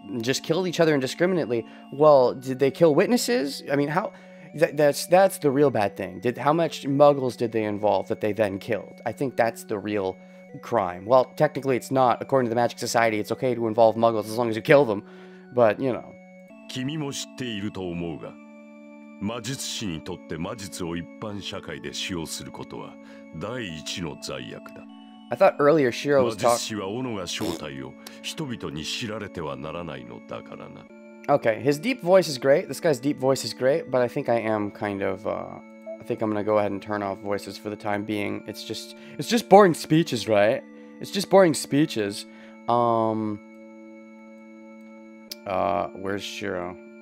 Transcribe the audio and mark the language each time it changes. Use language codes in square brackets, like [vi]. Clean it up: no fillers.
[en] Just killed each other indiscriminately. Well, did they kill witnesses? I mean, that's the real bad thing. How much muggles did they involve that they then killed? I think that's the real crime. Well, technically it's not. According to the Magic Society, it's okay to involve muggles as long as you kill them. But, you know. [ja] 君も知っていると思うが、魔術師にとって魔術を一般社会で使用することは第一の罪悪だ。 [en] I thought earlier Shiro was talking. [ja] 魔術師は斧が正体を人々に知られてはならないのだからな。 [en] Okay, his deep voice is great. This guy's deep voice is great, but I think I am kind of, I think I'm gonna go ahead and turn off voices for the time being. It's just boring speeches, right? It's just boring speeches. Where's Shiro?